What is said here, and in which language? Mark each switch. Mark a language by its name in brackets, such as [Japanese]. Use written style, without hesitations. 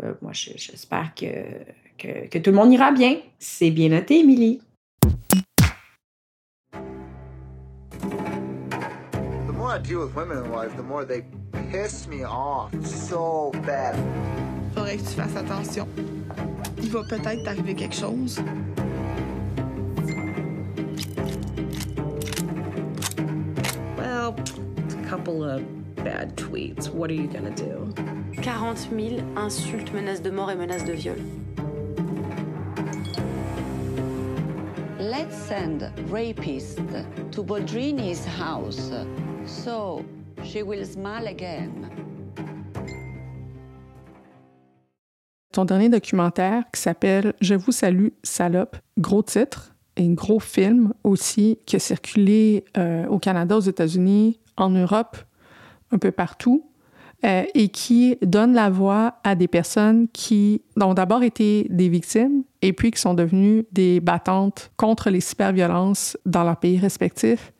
[French] Moi, j'espère que tout le monde ira bien. C'est bien noté, Émilie. [English] The more I deal with women in life, the more they piss me off so bad. [French] Faudrait que tu fasses attention. Il va peut-être t'arriver quelque chose. [English] Well, a couple of bad tweets. What are you gonna do? [French] 40 000 insultes, menaces de mort et menaces de viol. [English] Let's send rapist to Baldrini's house, so she will smile again. [French] Ton dernier documentaire qui s'appelle « Je vous salue, salope », gros titre et gros film aussi qui a circulé au Canada, aux États-Unis, en Europe, un peu partout, et qui donne la voix à des personnes qui ont d'abord été des victimes et puis qui sont devenues des battantes contre les cyberviolences dans leur pays respectif.